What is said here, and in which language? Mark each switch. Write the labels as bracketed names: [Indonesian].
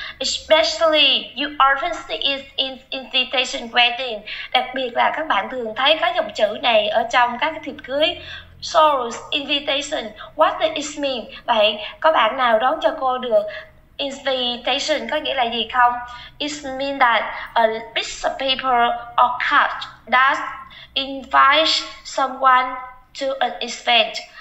[English] Especially, you often see it in invitation wedding. [Vietnamese] Đặc biệt là các bạn thường thấy có dòng chữ này ở trong các thiệp cưới. [English] So, invitation, what does it mean? [Vietnamese] Vậy, có bạn nào đón cho cô được invitation có nghĩa là gì không? [English] It means that a piece of paper or card that invites someone to an event.